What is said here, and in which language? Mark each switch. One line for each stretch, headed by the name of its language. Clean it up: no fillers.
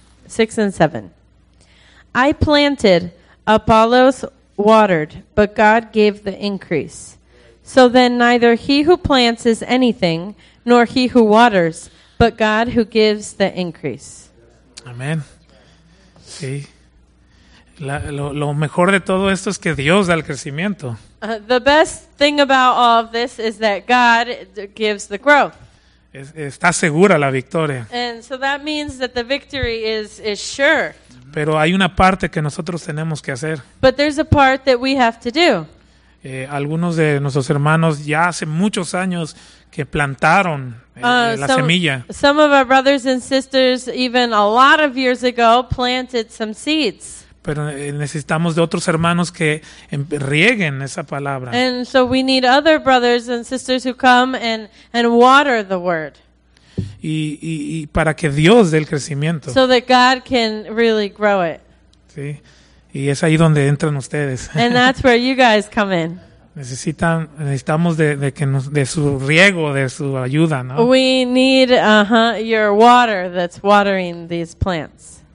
English: 6 and 7. I planted, Apollos watered, but God gave the increase. So then neither he who plants is anything, nor he who waters, but God who gives the increase. Amen. Sí.
Spanish: Lo mejor de todo esto es que Dios da el crecimiento.
English: The best thing about all of this is that God gives the growth.
Spanish: Está segura la victoria.
English: And so that means that the victory is sure.
Spanish: Pero hay una parte que nosotros tenemos que hacer.
English: But there's a part that we have to do.
Spanish: Algunos de nuestros hermanos ya hace muchos años que plantaron la semilla.
English: Some of our brothers and sisters even a lot of years ago planted some seeds.
Spanish: Pero necesitamos de otros hermanos que rieguen esa palabra.
English: And so we need other brothers and sisters who come and water the word.
Spanish: Y para que Dios dé el crecimiento.
English: So that God can really grow it.
Spanish: Sí. Y es ahí donde entran ustedes.
English: And that's where you guys come in.
Spanish: Necesitamos de su riego, de su ayuda, ¿no?
English: We need your water that's watering these plants.